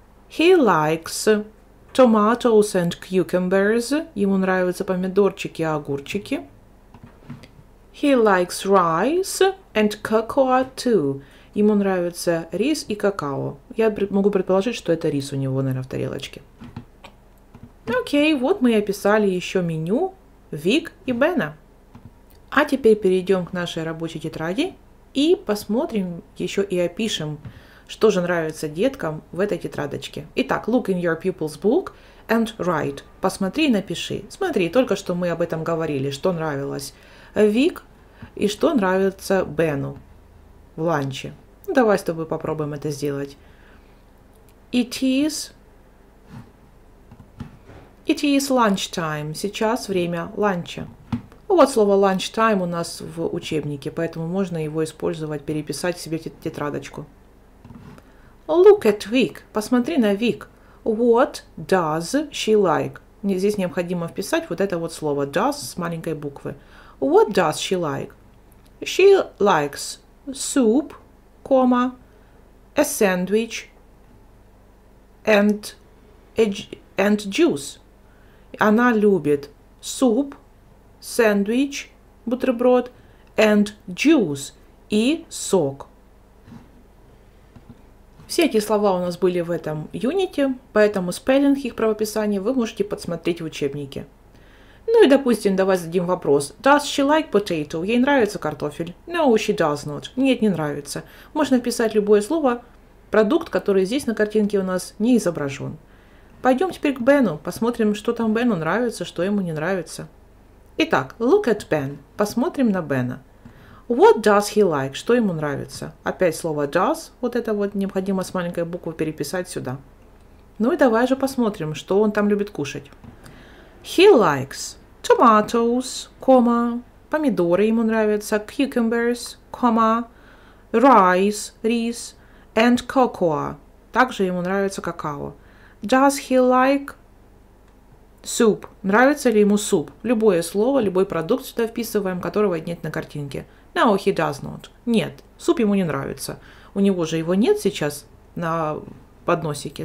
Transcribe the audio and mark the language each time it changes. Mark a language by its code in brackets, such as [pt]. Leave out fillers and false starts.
[en] He likes tomatoes and cucumbers. [ru] Ему нравятся помидорчики и огурчики. [en] He likes rice and cocoa too. [ru] Ему нравится рис и какао. Я могу предположить, что это рис у него, наверное, в тарелочке. Окей, вот мы и описали еще меню Вик и Бена. А теперь перейдем к нашей рабочей тетради. И посмотрим еще и опишем, что же нравится деткам в этой тетрадочке. Итак, [en] look in your pupil's book and write. [ru] Посмотри и напиши. Смотри, только что мы об этом говорили, что нравилось Вик и что нравится Бену в ланче. Давай с тобой попробуем это сделать. [en] It is lunchtime. [ru] Сейчас время ланча. Вот слово lunchtime у нас в учебнике, поэтому можно его использовать, переписать себе тетрадочку. [en] Look at Vic. [ru] Посмотри на Vic. [en] What does she like? [ru] Здесь необходимо вписать вот это вот слово does с маленькой буквы. [en] What does she like? She likes soup, a sandwich and juice. [ru] Она любит суп, сэндвич, бутерброд, [en] and juice, [ru] и сок. Все эти слова у нас были в этом юните, поэтому спеллинг их правописания вы можете подсмотреть в учебнике. Ну и, допустим, давай зададим вопрос. [en] Does she like potato? [ru] Ей нравится картофель? [en] No, she does not. [ru] Нет, не нравится. Можно вписать любое слово, продукт, который здесь на картинке у нас не изображен. Пойдем теперь к Бену, посмотрим, что там Бену нравится, что ему не нравится. Итак, [en] look at Ben. [ru] Посмотрим на Бена. [en] What does he like? [ru] Что ему нравится? Опять слово does. Вот это вот необходимо с маленькой буквы переписать сюда. Ну и давай же посмотрим, что он там любит кушать. [en] He likes tomatoes, [ru] помидоры ему нравятся, [en] cucumbers, rice, рис, and cocoa. [ru] Также ему нравится какао. [en] Does he like soup. [ru] Нравится ли ему суп? Любое слово, любой продукт сюда вписываем, которого нет на картинке. [en] No, he does not. [ru] Нет, суп ему не нравится. У него же его нет сейчас на подносике.